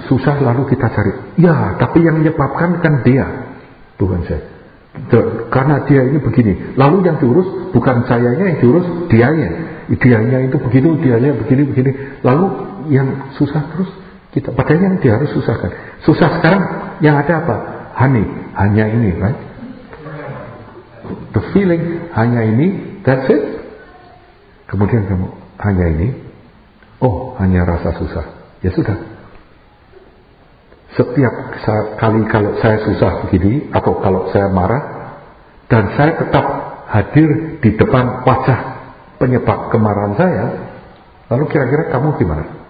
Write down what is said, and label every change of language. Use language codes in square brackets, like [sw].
[id] Susah lalu kita cari. Ya, tapi yang menyebabkan kan dia, bukan saya. Karena dia ini begini. Lalu yang diurus bukan sayanya yang diurus, dianya. Dianya itu begitu, dianya begini. Lalu yang susah terus kita. Padahal yang dia harus susahkan. Susah sekarang yang ada apa? Hanya ini, right? [en] The feeling [id] hanya ini, [en] that's it. [id] Kemudian kamu hanya ini. Oh, hanya rasa susah. Ya sudah. Setiap kali kalau saya susah begini atau kalau saya marah dan saya tetap hadir di depan wajah penyebab kemarahan saya, lalu kira-kira kamu gimana?